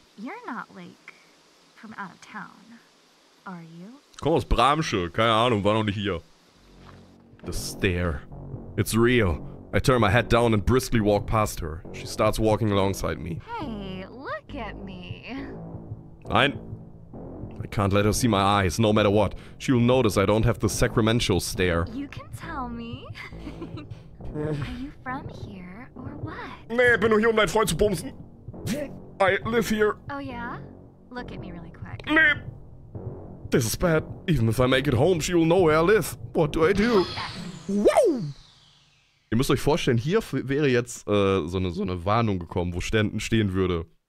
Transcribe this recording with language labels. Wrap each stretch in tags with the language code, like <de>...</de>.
<en>You're not like from out of town, are you?</en> <de>Komm aus Bramsche, keine Ahnung, war noch nicht hier.</de> <en>The stare. It's real. I turn my head down and briskly walk past her. She starts walking alongside me. Hey, look at me.</en> <de>Nein.</de> <en>I can't let her see my eyes, no matter what. She'll notice I don't have the sacramental stare. You can tell me. Are you from here, or what?</en> <de>Nee, ich bin nur hier, um deinen Freund zu bumsen.</de> <en>I live here. Oh yeah? Look at me really quick. Nee. This is bad. Even if I make it home, she'll know where I live. What do I do? Wow!</en> <de>Ihr müsst euch vorstellen, hier wäre jetzt so eine Warnung gekommen, wo Ständen stehen würde.</de>